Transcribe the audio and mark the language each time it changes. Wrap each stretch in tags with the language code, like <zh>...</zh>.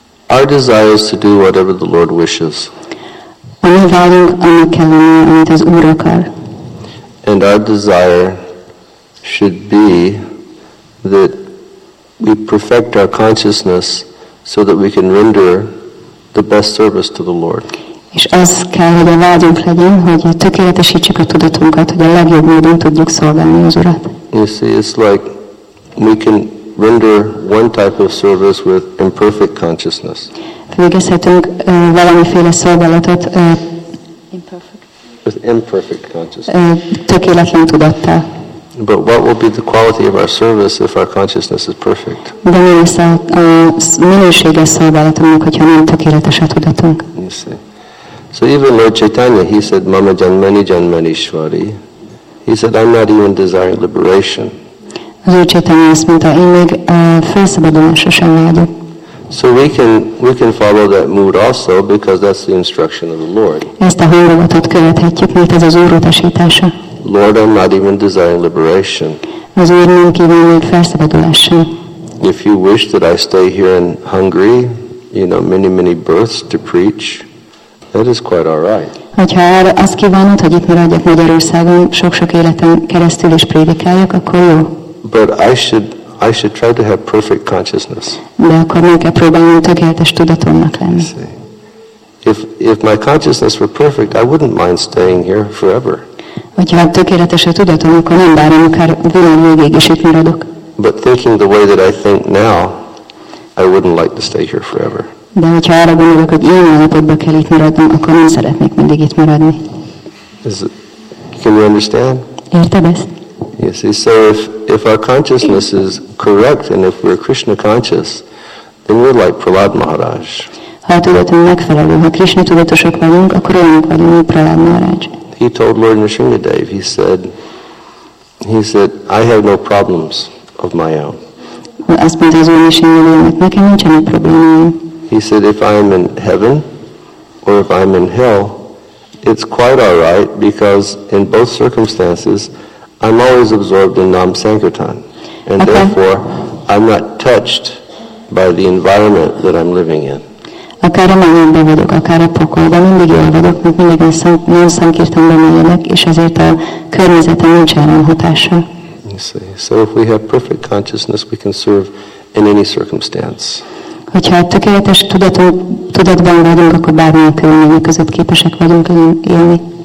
<en>Our desire is to do whatever the Lord wishes. And our desire should be that we perfect our consciousness so that we can render the best service to the Lord.</en> <hu>És az kell, hogy a vágyunk legyen, hogy tökéletesítsük a tudatunkat, hogy a legjobb módon tudjuk szolgálni az Urat.</hu> <en>You see, it's like we can render one type of service with imperfect consciousness.</en> <hu>Végezhetünk valamiféle szolgálatot</hu> <en>with imperfect consciousness.</en> <hu>Tökéletlen tudattal.</hu> <en>But what will be the quality of our service if our consciousness is perfect?</en> <hu>De mi lesz a minőséges szolgálatunk, hogyha nem tökéletes a tudatunk?</hu> <en>You see. So even Lord Chaitanya, he said,</en> <sa>Mama Janmani Janmanishwari.</sa> <en>He said, I'm not even desiring liberation. So we can follow that mood also because that's the instruction of the Lord. Lord, I'm not even desiring liberation. If you wish that I stay here in Hungary, you know, many, many births to preach, that is quite all right.</en> <hu>Hogyha azt kívánod, hogy itt maradjak Magyarországon sok-sok életen keresztül is prédikáljak, akkor jó.</hu> <en>But I should try to have perfect consciousness.</en> <hu>De akkor meg kell próbálnom tökéletes tudatomnak lenni.</hu> <en>If my consciousness were perfect, I wouldn't mind staying here forever.</en> <hu>Hogyha tökéletes a tudatom, akkor nem bánom, akár világ végéig is itt maradok.</hu> <en>But thinking the way that I think now, I wouldn't like to stay here forever.</en> <hu>De hogyha arra gondolok, hogy ilyen állapotban kell itt maradnom, akkor nem szeretnék mindig itt maradni.</hu> <en>Can you understand?</en> <hu>Érted ezt?</hu> <en>You see, so if our consciousness is correct and if we're Krishna conscious, then we're like Prahlad Maharaj.</en> <hu>Ha a tudatunk megfelelő, ha Krishna tudatosok vagyunk, akkor olyanok vagyunk, mint Prahlad Maharaj.</hu> <en>He told Lord Nrisimhadev, he said, I have no problems of my own.</en> <hu>Azt mondta az Úr Nrisimhadevnek, nekem nincsenek problémáim.</hu> <en>He said, if I'm in heaven or if I'm in hell, it's quite all right because in both circumstances, I'm always absorbed in Nam Sankirtan. And therefore, I'm not touched by the environment that I'm living in.</en> <hu>Akár a mennyben vagyok, akár a pokolban, mindig jól vagyok, mert mindig Nam Sankirtanban élek, és ezért a környezetem nincsen rám hatása.</hu> <en>So if we have perfect consciousness, we can serve in any circumstance.</en> <hu>Hogyha tökéletes tudatban vagyunk, akkor bármilyen körülmények között képesek vagyunk élni.</hu>